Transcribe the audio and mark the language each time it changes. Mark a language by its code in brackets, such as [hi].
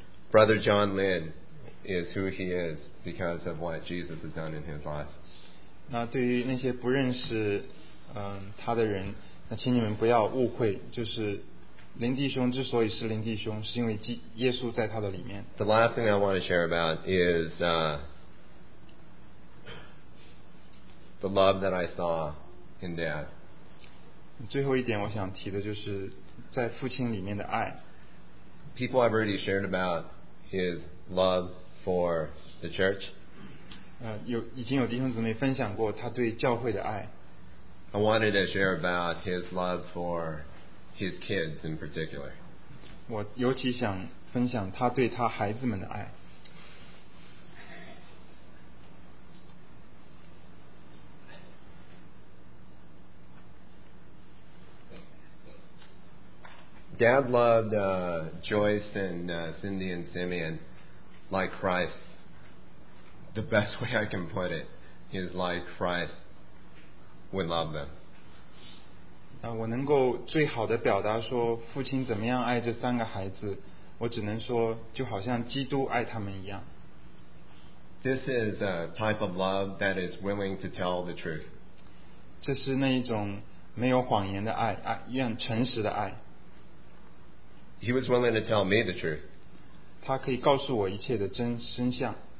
[en] Brother John Lynn is who he is because of what Jesus has done in his life. [zh] 那对于那些不认识他的人，那请你们不要误会，就是林弟兄之所以是林弟兄，是因为耶稣在他的里面。 [en] The last thing I want to share about is the love that I saw in Dad. [zh] 最后一点我想提的就是在父亲里面的爱。 [en] People have already shared about his love for the church. [zh] 已经有弟兄姊妹分享过他对教会的爱。 [en] I wanted to share about his love for his kids in particular. [zh] 我尤其想分享他对他孩子们的爱。 [en] Dad loved Joyce and Cindy and Simeon like Christ. The best way I can put it is like Christ would love them. [zh] 我能够最好的表达说父亲怎么样爱这三个孩子，我只能说就好像基督爱他们一样。 [en] This is a type of love that is willing to tell the truth. [zh] 这是那一种没有谎言的爱，愿诚实的爱。 [en] He was willing to tell me the truth. [zh] 他可以告诉我一切的真相。